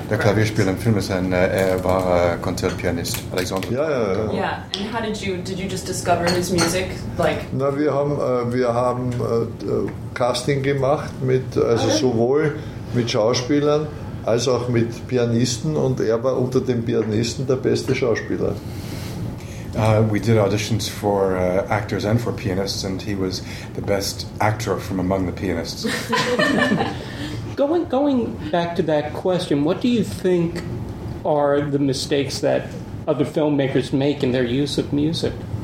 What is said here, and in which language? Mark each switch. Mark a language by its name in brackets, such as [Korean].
[German] Der Klavierspieler im Film ist ein wahrer Konzertpianist, Alexander. Ja, ja, ja. [English] Yeah. And how did you just discover his music? Like. [German] Na, wir haben Casting gemacht sowohl mit Schauspielern als auch mit Pianisten, und er war unter den Pianisten der beste Schauspieler. [English] We did auditions for actors and for pianists, and he was the best actor from among the pianists. Going back to that question, what do you think are the mistakes that other filmmakers make in their use of music?